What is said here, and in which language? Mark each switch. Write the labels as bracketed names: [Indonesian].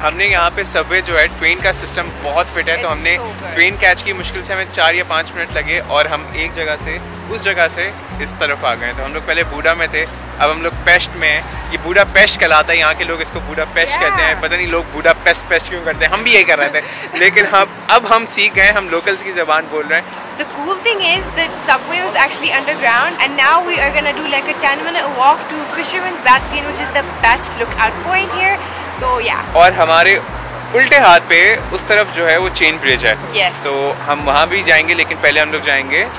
[Hindi] हमने यहाँ पे सबवे जो है ट्रेन का सिस्टम बहुत फिट है, तो हमने ट्रेन कैच की, मुश्किल से हमें 4 या 5 मिनट लगे और हम एक जगह से उस जगह से इस तरफ आ गए। तो हम लोग पहले बूढ़ा में थे, अब हम लोग पेस्ट में है। ये बूढ़ा पेस्ट कहलाता है, यहाँ के लोग इसको बूढ़ा पेस्ट कहते हैं, पता नहीं लोग बूढ़ा पेस्ट पेस्ट क्यों करते हैं, हम भी यही कर रहे थे लेकिन हम अब हम सीख गए, हम लोकल्स की जबान बोल रहे हैं। [English] The cool thing is that subway was actually underground and now we are gonna do like a 10 minute walk to Fisherman's Bastion which is the best lookout point here. So yeah. [Hindi] और हमारे उल्टे हाथ पे उस तरफ जो है वो चेन ब्रिज है। [English] Yes. [Hindi] तो हम वहाँ भी जाएंगे लेकिन पहले हम लोग जाएंगे